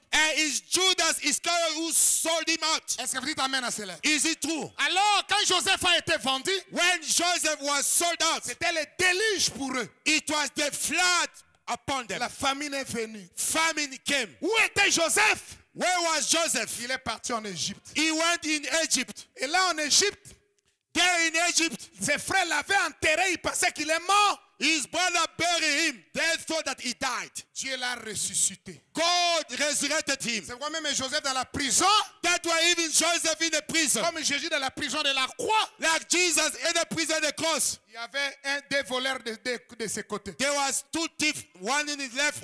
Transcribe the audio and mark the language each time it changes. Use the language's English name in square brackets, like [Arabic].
[English] And it's Judas Iscariot who sold him out. [French] Est-ce que vous dites amen à cela? [English] Is it true? [French] Alors, quand Joseph a été vendu, [English] when Joseph was sold out, [French] c'était le déluge pour eux. [English] It was the flood upon them. [French] La famine est venue. [English] Famine came. [French] Où était Joseph? [English] Where was Joseph? [French] Il est parti en Égypte. [English] He went in Egypt. [French] Et là en Égypte, [English] there in Egypt, [French] ses frères l'avaient enterré, ils pensaient qu'il est mort. [English] His brother buried him. They thought that he died. [French] Dieu l'a ressuscité. [English] God resurrected him. [French] C'est quoi même Joseph dans la prison? [English] That was even Joseph in the prison. [French] Comme Jésus dans la prison de la croix. [English] Like Jesus in the prison of the cross. [French] Il y avait un des voleurs de ses côtés. [English] There was two thieves, one in his left,